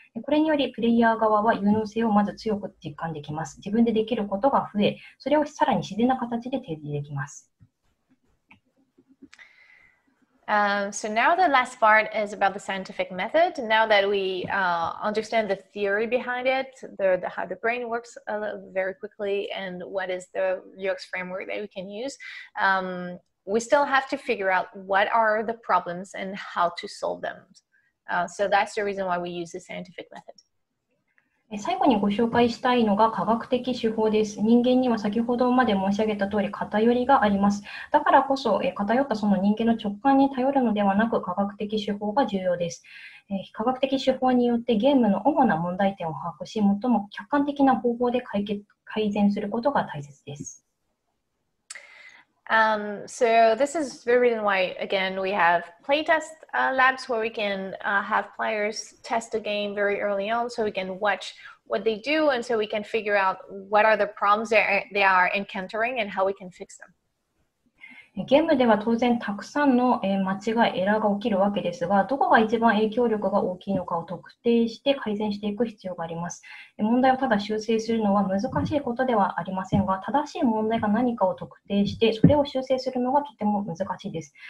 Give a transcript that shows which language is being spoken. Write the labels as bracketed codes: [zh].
[ja] これによりプレイヤー側は有能性をまず強く実感できます。自分でできることが増え、それをさらに自然な形で提示できます。 [en] So now the last part is about the scientific method. Now that we understand the theory behind it, how the brain works very quickly, and what is the UX framework that we can use, we still have to figure out what are the problems and how to solve them. So that's the reason why we use the scientific method. [ja] 最後にご紹介したいのが科学的手法です。人間には先ほどまで申し上げた通り偏りがあります。だからこそ偏ったその人間の直感に頼るのではなく科学的手法が重要です。科学的手法によってゲームの主な問題点を把握し、最も客観的な方法で改善することが大切です。 [en] So this is the reason why, again, we have playtest labs where we can have players test the game very early on so we can watch what they do and so we can figure out what are the problems they are encountering and how we can fix them. [ja] ゲームでは当然たくさんの間違い、エラーが起きるわけですが、どこが一番影響力が大きいのかを特定して改善していく必要があります。問題をただ修正するのは難しいことではありませんが、正しい問題が何かを特定して、それを修正するのがとても難しいです。